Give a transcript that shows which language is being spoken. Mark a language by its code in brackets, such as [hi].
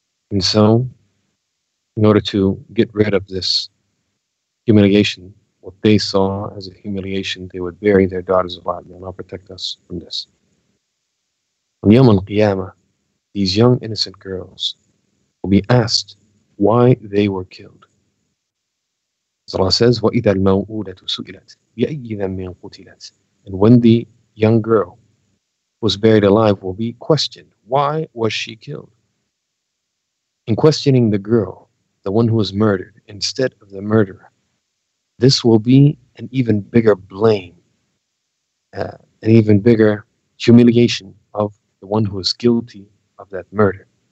[en] And so, in order to get rid of this humiliation, what they saw as a humiliation, they would bury their daughters alive. They will not protect us from this. On Yawm al-Qiyamah, these young innocent girls will be asked why they were killed. As Allah says, [ar] وَإِذَا الْمَوْءُودَةُ سُئِلَتْ بِأَيِّ ذَنْبٍ قُتِلَتْ. [en] And when the young girl was buried alive, will be questioned, why was she killed? In questioning the girl, the one who was murdered, instead of the murderer. This will be an even bigger blame, an even bigger humiliation of the one who was guilty of that murder.